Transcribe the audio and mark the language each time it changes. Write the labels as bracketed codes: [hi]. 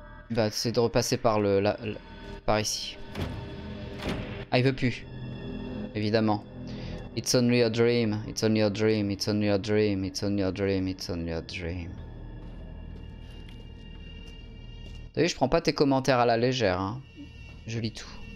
[fr] Bah c'est de repasser par le par ici. Ah il veut plus. Évidemment. [en] It's only a dream, it's only a dream, it's only a dream, it's only a dream, it's only a dream. [fr] T'as vu, je prends pas tes commentaires à la légère, hein. Je lis tout.